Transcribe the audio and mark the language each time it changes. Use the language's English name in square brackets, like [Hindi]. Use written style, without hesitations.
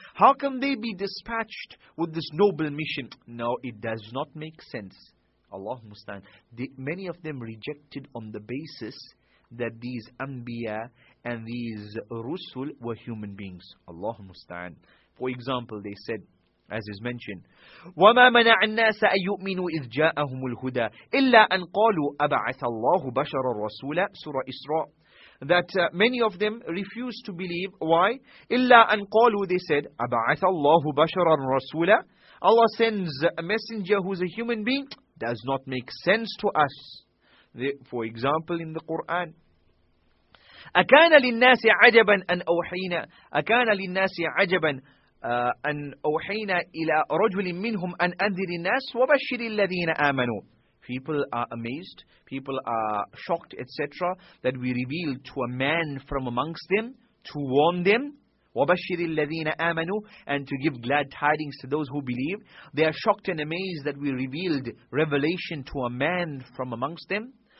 [English] How can they be dispatched with this noble mission? No, it does not make sense. Allah Mustan, many of them rejected on the basis that these Anbiya and these Rusul were human beings. Allah Mustan. For example, they said, as is mentioned, [Arabic] وَمَا مَنَعَ النَّاسَ أَن يُؤْمِنُوا إِذْ جَاءَهُمُ الْهُدَىٰ إِلَّا أَن قَالُوا أَبَعَثَ اللَّهُ بَشَرًا رَسُولًا Surah Isra. [English] That many of them refused to believe. Why? [Arabic] إِلَّا أَن قَالُوا [English] They said, [Arabic] أَبَعَثَ اللَّهُ بَشَرًا رَسُولًا [English] Allah sends a messenger who is a human being. Does not make sense to us. For example, in the Quran, [Arabic] أَكَانَ لِلنَّاسِ عَجَبًا أَن أَوْحِيْنَا أَكَانَ لِلنَّاسِ عَجَبًا أَنْ أَوْحَيْنَا إِلَىٰ رَجُلٍ مِّنْهُمْ أَنْ أَنْذِرِ النَّاسِ وَبَشِّرِ الَّذِينَ آمَنُوا [English] People are amazed, people are shocked, etc., that we revealed to a man from amongst them to warn them. [Arabic] وَبَشِّرِ الَّذِينَ آمَنُوا, [English] and to give glad tidings to those who believe. They are shocked and amazed that we revealed revelation to a man from amongst them.